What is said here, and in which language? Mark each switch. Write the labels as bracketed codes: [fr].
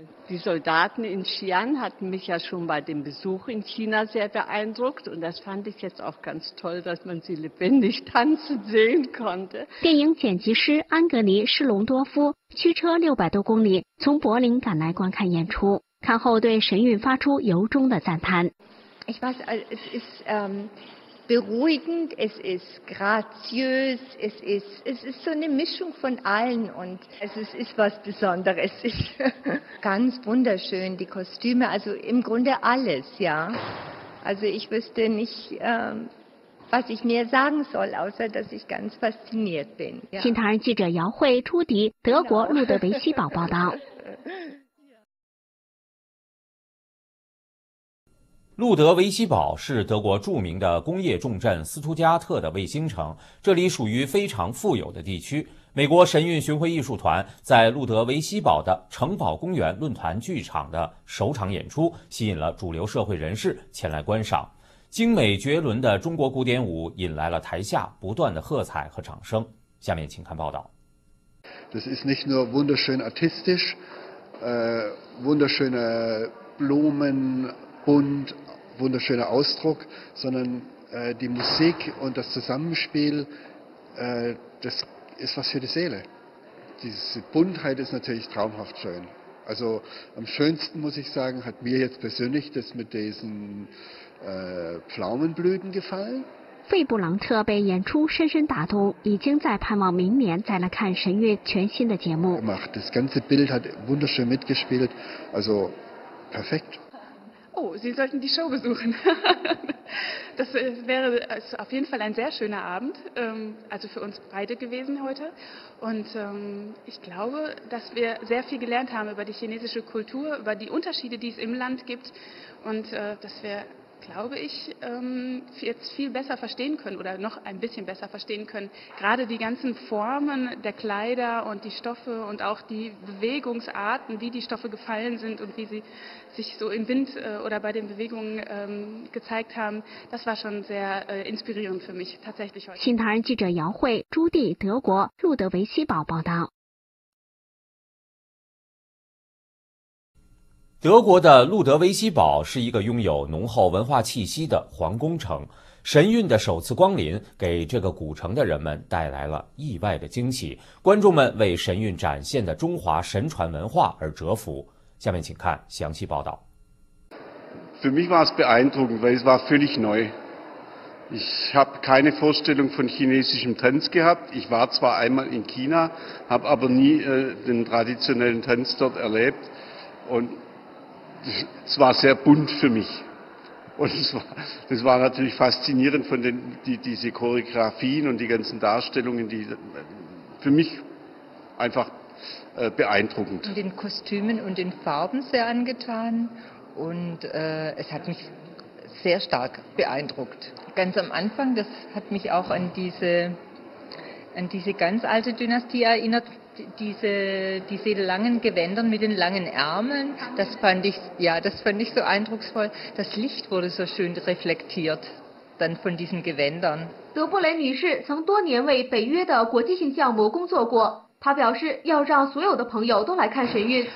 [de] Die Soldaten in Xi'an hatten mich ja schon bei dem Besuch in China sehr beeindruckt und das fand ich jetzt auch ganz toll, dass man sie lebendig tanzen sehen konnte. [zh] 电影剪辑师安格尼·施隆多夫驱车600多公里从柏林赶来观看演出，看后对神韵发出由衷的赞叹。 [de] Ich weiß, es ist beruhigend, es ist graziös, es ist so eine Mischung von allen und es ist was Besonderes. Es ist ganz wunderschön, die Kostüme, also im Grunde alles, ja. Also ich wüsste nicht, was ich mehr sagen soll, außer dass ich ganz fasziniert bin. [zh] 新唐人记者姚慧、朱迪，德国路德维希堡报道。路德维希堡是德国著名的工业重镇斯图加特的卫星城，这里属于非常富有的地区。美国神韵巡回艺术团在路德维希堡的城堡公园论坛剧场的首场演出吸引了主流社会人士前来观赏，精美绝伦的中国古典舞引来了台下不断的喝彩和掌声。下面请看报道。 [de] Das ist nicht nur wunderschön artistisch, wunderschöne Blumen, bunt, wunderschöner Ausdruck, sondern die Musik und das Zusammenspiel, das ist was für die Seele. Diese Buntheit ist natürlich traumhaft schön. Also am schönsten, muss ich sagen, hat mir jetzt persönlich das mit diesen Pflaumenblüten gefallen. [zh] 费布朗特被演出深深打动，已经在盼望明年再来看神韵全新的节目。 [de] Das ganze Bild hat wunderschön mitgespielt, also perfekt. Oh, Sie sollten die Show besuchen. Das wäre auf jeden Fall ein sehr schöner Abend, also für uns beide gewesen heute. Und ich glaube, dass wir sehr viel gelernt haben über die chinesische Kultur, über die Unterschiede, die es im Land gibt, und dass wir. Glaube ich, jetzt viel besser verstehen können oder noch ein bisschen besser verstehen können. Gerade die ganzen Formen der Kleider und die Stoffe und auch die Bewegungsarten, wie die Stoffe gefallen sind und wie sie sich so im Wind oder bei den Bewegungen gezeigt haben, das war schon sehr inspirierend für mich tatsächlich heute. [zh] 新唐人记者姚慧、朱棣、德国、路德维希堡报道。德国的路德维希堡是一个拥有浓厚文化气息的皇宫城，神韵的首次光临给这个古城的人们带来了意外的惊喜，观众们为神韵展现的中华神传文化而折服。下面请看详细报道。 [de] Für mich war es beeindruckend, weil es war völlig neu. Ich habe keine Vorstellung von chinesischem Tanz gehabt. Ich war zwar einmal in China, habe aber nie den traditionellen Tanz dort erlebt undes war sehr bunt für mich. Und es war natürlich faszinierend von diese Choreografien und die ganzen Darstellungen, die für mich einfach beeindruckend. In den Kostümen und den Farben sehr angetan und es hat mich sehr stark beeindruckt. Ganz am Anfang, das hat mich auch an diese ganz alte Dynastie erinnert,diese langen Gewänder mit den langen Ärmeln, das fand ich so eindrucksvoll. Das Licht wurde so schön reflektiert dann von diesen Gewändern. [zh] 德布雷女士曾多年为北约的国际性项目工作过，她表示要让所有的朋友都来看神韵。